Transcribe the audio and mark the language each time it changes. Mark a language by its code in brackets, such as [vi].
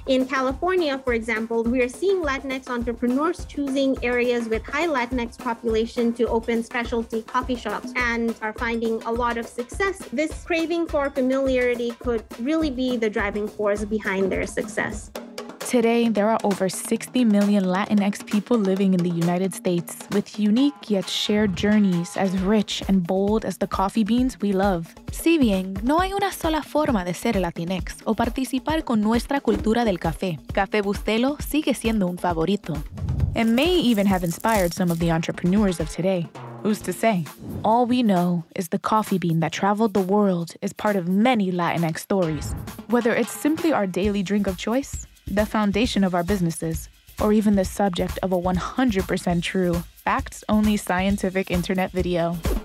[en] In California, for example, we are seeing Latinx entrepreneurs choosing areas with high Latinx population to open specialty coffee shops and are finding a lot of success. This craving for familiarity could really be the driving force behind their success. Today, there are over 60 million Latinx people living in the United States, with unique yet shared journeys as rich and bold as the coffee beans we love. [es] Si bien, no hay una sola forma de ser Latinx o participar con nuestra cultura del café, Café Bustelo sigue siendo un favorito. [en] It may even have inspired some of the entrepreneurs of today. Who's to say? All we know is the coffee bean that traveled the world is part of many Latinx stories. Whether it's simply our daily drink of choice, the foundation of our businesses, or even the subject of a 100% true, facts-only scientific internet video.